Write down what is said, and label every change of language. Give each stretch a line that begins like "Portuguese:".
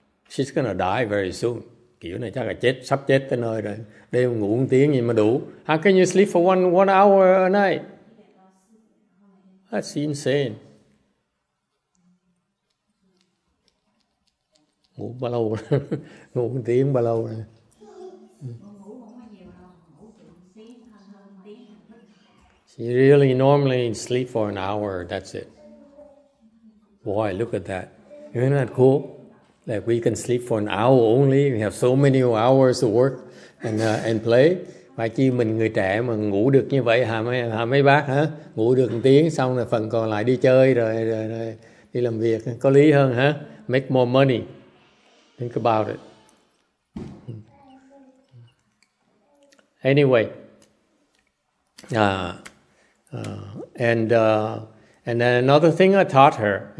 English: She's gonna die very soon.
Vietnamese: Kiểu này chắc là chết, sắp chết tới nơi rồi. Đêm ngủ một tiếng gì mà đủ.
English: How can you sleep for one hour a night? That's insane.
Vietnamese: Ngủ bao lâu rồi? Ngủ một tiếng bao lâu rồi?
English: She really normally sleep for an hour, that's it. Boy, look at that. Isn't that cool? Like we can sleep for an hour only. We have so many hours to work and play.
Vietnamese: Phải chi mình người trẻ mà ngủ được như vậy hả mấy bác hả? Ngủ được 1 tiếng xong rồi phần còn lại đi chơi rồi đi làm việc có lý hơn hả?
English: Make more money. Think about it. Anyway. And then another thing I taught her.